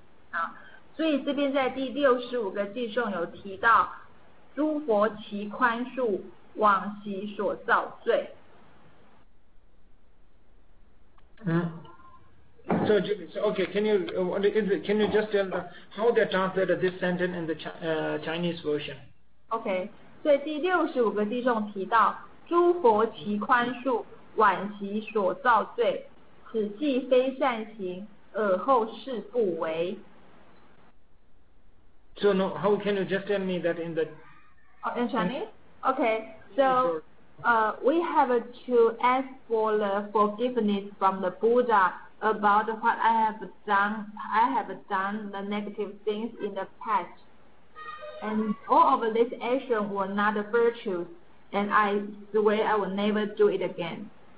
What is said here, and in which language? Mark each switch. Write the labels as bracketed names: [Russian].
[Chinese] 好，所以这边在第六十五个偈颂有提到，诸佛其宽恕往昔所造罪。 Mm. [English] Can you just tell the, how they translated this sentence in the Chinese version? [Chinese] Okay, 所以第六十五个偈颂提到，诸佛其宽恕，往昔所造罪，此即非善行，尔后世不为。 [English] So no, how can you just tell me that in the? Oh, in Chinese? Okay, so. We have to ask for the forgiveness from the Buddha about what I have done. I have done the negative things in the past, and all of this action were not virtues, and I swear I will never do it again.